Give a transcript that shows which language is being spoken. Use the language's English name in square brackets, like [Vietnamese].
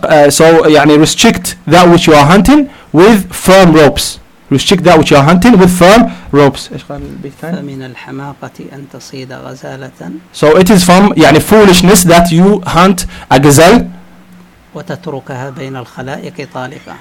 [English] So restrict that which you are hunting with firm ropes. Restrict that which you are hunting with firm ropes. [Arabic] من الحماقة أن تصيد غزالة. [English] So it is from foolishness that you hunt a gazelle. [Arabic] وتتركها بين الخلائق طالقة.